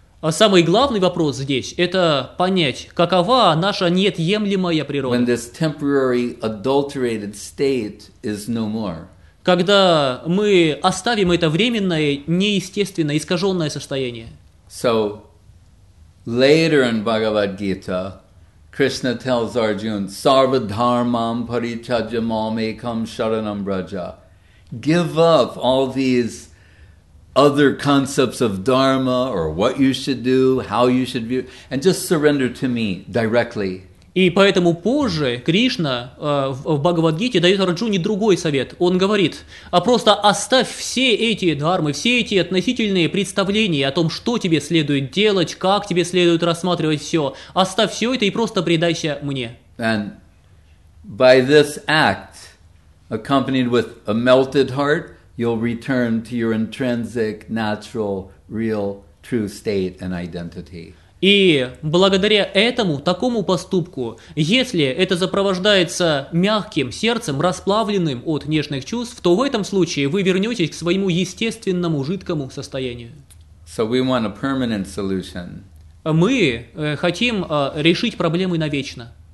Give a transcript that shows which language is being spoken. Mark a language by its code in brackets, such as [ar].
[ru] А самый главный вопрос здесь – это понять, какова наша неотъемлемая природа. [en] When this temporary adulterated state is no more. [ru] Когда мы оставим это временное, неестественное, искаженное состояние. [en] So, later in Bhagavad Gita, Krishna tells Arjuna, [sa] "Sarva dharmam parityaja mam ekam sharanam braja." [en] Give up all these other concepts of dharma or what you should do, how you should view, and just surrender to me directly. [ru] И поэтому позже Кришна в Бхагавад-гите дает Арджуне другой совет. Он говорит, а просто оставь все эти дхармы, все эти относительные представления о том, что тебе следует делать, как тебе следует рассматривать все. Оставь все это и просто предайся мне. [en] And By this act, accompanied with a melted heart, you'll return to your intrinsic, natural, real, true state and identity. [ru] И благодаря этому, такому поступку, если это сопровождается мягким сердцем, расплавленным от нежных чувств, то в этом случае вы вернетесь к своему естественному жидкому состоянию. [en] So we want a permanent solution. [ru] Мы хотим решить проблемы навечно.